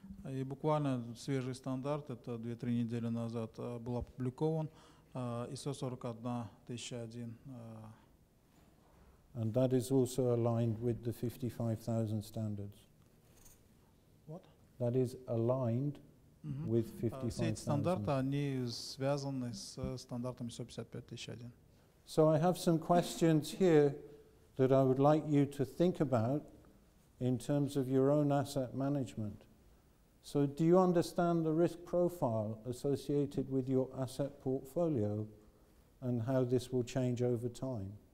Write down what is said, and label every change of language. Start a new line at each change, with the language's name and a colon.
Russian: И буквально свежий стандарт, это 2-3 недели назад был опубликован, ISO 41001.
English: And that is also aligned with the 55000 standards. What? That is aligned with 55000.
Russian: Все эти стандарты, они связаны с стандартом ISO 55001.
English: So I have some questions here that I would like you to think about in terms of your own asset management. So do you understand the risk profile associated with your asset portfolio and how this will change over time?